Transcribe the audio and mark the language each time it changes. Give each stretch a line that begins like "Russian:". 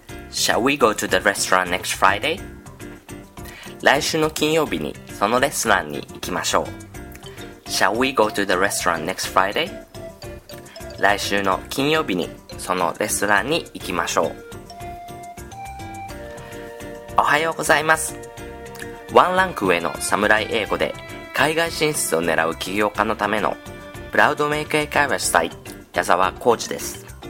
English: Shall we go to the restaurant next Friday?
Japanese: 来週の金曜日にそのレストランに行きましょう。
English: Shall we go to the restaurant next Friday?
Japanese: 来週の金曜日にそのレストランに行きましょう。おはようございます。ワンランク上の侍英語で海外進出を狙う起業家のためのプラウドメイク英会話主催、矢沢浩二です。